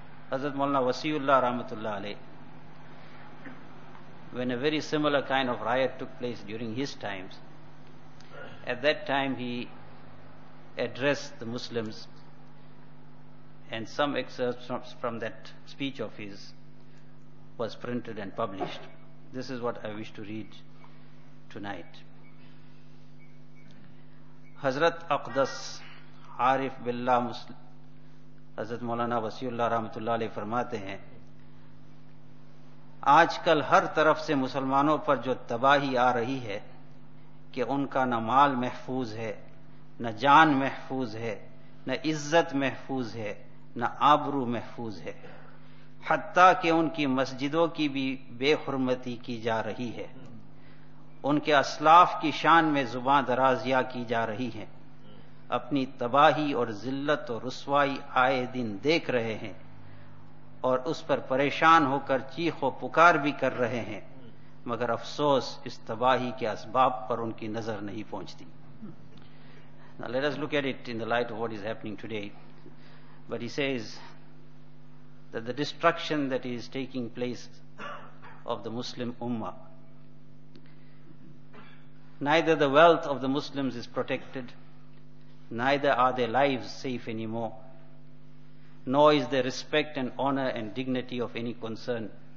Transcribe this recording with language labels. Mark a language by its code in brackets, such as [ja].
[en] Hazrat Maulana Wasiullah Rahmatullah Alayh, when a very similar kind of riot took place during his times, at that time he addressed the Muslims, and some excerpts from that speech of his was printed and published. This is what I wish to read tonight. [ur] Hazrat Aqdas Arif Billah Muslim Hazrat Maulana Wasiullah Rahmatullah Alayh farmate hain, aaj kal har taraf se musalmanon par jo tabahi aa rahi hai کہ ان کا نہ مال محفوظ ہے, نہ جان محفوظ ہے, نہ عزت محفوظ ہے, نہ آبرو محفوظ ہے, حتیٰ کہ ان کی مسجدوں کی بھی بے حرمتی کی جا رہی ہے, ان کے اسلاف کی شان میں زبان درازیا کی جا رہی ہے, اپنی تباہی اور ذلت و رسوائی آئے دن دیکھ رہے ہیں اور اس پر پریشان ہو کر چیخ و پکار بھی کر رہے ہیں, مگر افسوس اس تباہی کے اسباب پر ان کی نظر نہیں پہنچتی. [en] Now let us look at it in the light of what is happening today. But he says that the destruction that is taking place of the Muslim Ummah, neither the wealth of the Muslims is protected, neither are their lives safe anymore, nor is their respect and honor and dignity of any concern.